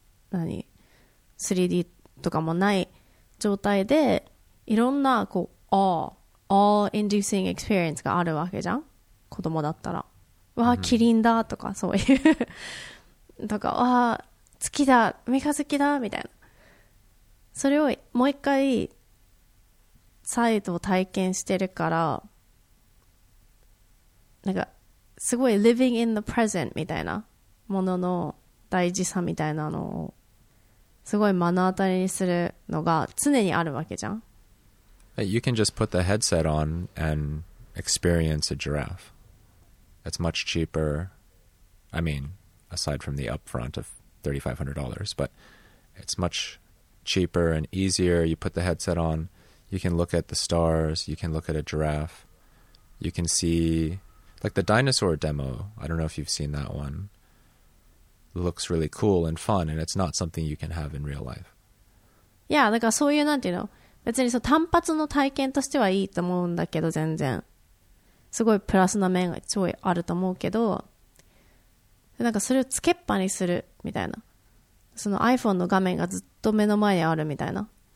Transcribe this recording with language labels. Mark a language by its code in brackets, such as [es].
[ja] 何 3D とかもない状態でいろんなこう [en] awe-inducing experience [ja] があるわけじゃん、子供だったら、うん、わあキリンだとかそういうとかわあ月だ三日月だみたいな、それをもう一回再度体験してるからなんかすごい [en] living in the present [ja] みたいなものの大事さみたいなのをすごい目の当たりにするのが常にあるわけじゃん。 [en] You can just put the headset on and experience a giraffe. It's much cheaper. I mean, aside from the upfront of $3,500, but it's much cheaper and easier. You put the headset on, you can look at the stars, you can look at a giraffe, you can see, like the dinosaur demo, I don't know if you've seen that one, looks really cool and fun, and it's not something you can have in real life. Yeah, like so you know, you know. [ja] 別にそう単発の体験としてはいいと思うんだけど、全然すごいプラスな面がすごいあると思うけど、なんかそれをつけっぱにするみたいな、その iPhone の画面がずっと目の前にあるみたいな、